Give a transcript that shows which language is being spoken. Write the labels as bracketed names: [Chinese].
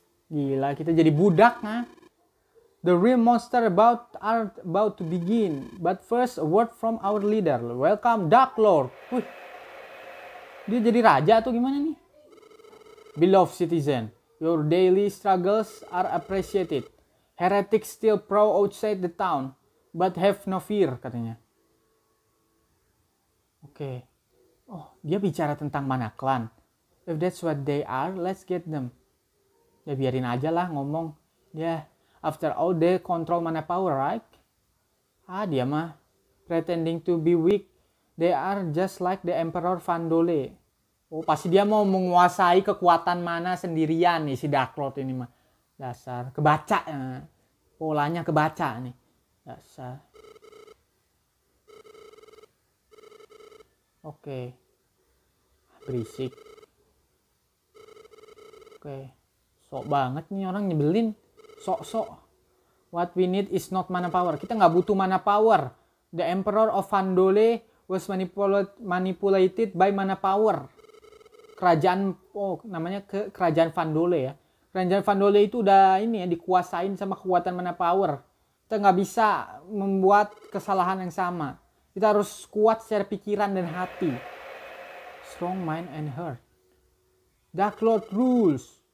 [Indonesian] Gila, kita jadi budak, ha? [English] The real monster about to begin. But first, a word from our leader. Welcome, Dark Lord. [Indonesian] Wih, dia jadi raja atau gimana nih? [English] Beloved citizen, your daily struggles are appreciated. Heretics still prowl outside the town, but have no fear, katanya. [Indonesian] Oke. Okay. Oh, dia bicara tentang mana klan? [English] If that's what they are, let's get them. [Indonesian] Ya biarin aja lah ngomong. Ya, [English] After all, they control money power, right? [Indonesian] Ah, dia mah. [English] Pretending to be weak. They are just like the Emperor Vandole. [Indonesian] Oh, pasti dia mau menguasai kekuatan mana sendirian nih si Dark Lord ini mah. Dasar. Kebaca. Polanya kebaca nih. Dasar. Oke. Berisik. Oke. Sok banget nih orang nyebelin. Sok-sok. [English] What we need is not mana power. [Indonesian] Kita gak butuh mana power. [English] The Emperor of Vandole was manipulated by mana power. [Indonesian] Kerajaan, namanya kerajaan Vandole ya. Kerajaan Vandole itu udah ini ya, dikuasain sama kekuatan mana power. Kita gak bisa membuat kesalahan yang sama. Kita harus kuat secara pikiran dan hati. [English] Strong mind and heart. Dark Lord rules.